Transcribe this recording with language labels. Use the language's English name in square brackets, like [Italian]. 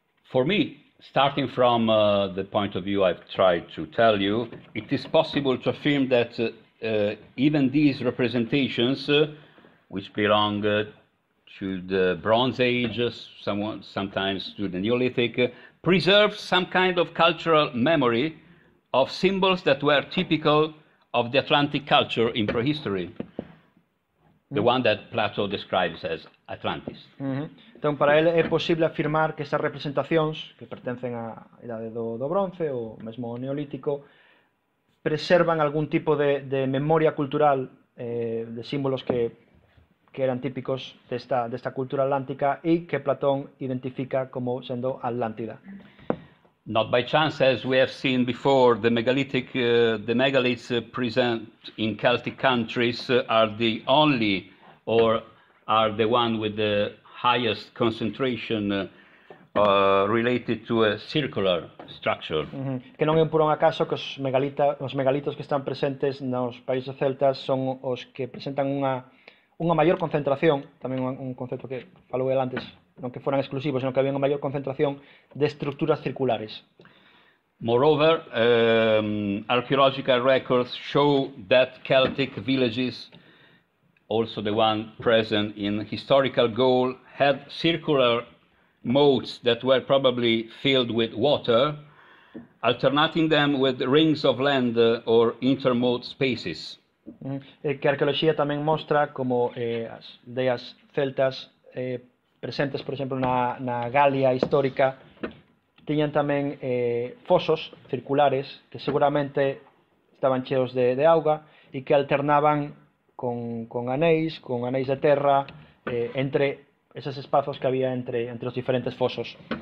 [English] For me, starting from the point of view I've tried to tell you, it is possible to affirm that even these representations, which belong to the Bronze Age, sometimes to the Neolithic, preserve some kind of cultural memory of symbols that were typical of the Atlantic culture in prehistory. The one that Plato describes as Atlantis. [Galician] Então, para ele é posible afirmar que estas representacións, que pertencen á idade do bronce ou mesmo ao neolítico, preservan algún tipo de memoria cultural, de símbolos que eran típicos desta cultura atlántica e que Platón identifica como sendo Atlántida. [English] Not by chance, as we have seen before, the megaliths present in Celtic countries are the only, or are the one with the highest concentration related to a circular structure. [Galician] Que non é por un acaso que os megalitos que están presentes nos países celtas son os que presentan unha maior concentración, tamén un concepto que falou el antes, non que foran exclusivos, senón que había unha maior concentración de estructuras circulares. [English] Moreover, archaeological records show that Celtic villages, also the one present in historical Gaul, had circular moats that were probably filled with water, alternating them with rings of land or intermoat spaces. [Galician] Que a arqueoloxía tamén mostra como as aldeas celtas presentes, por exemplo, na Galia histórica, tiñan tamén fosos circulares que seguramente estaban cheos de auga e que alternaban con anéis de terra entre esos espazos que había entre os diferentes fosos.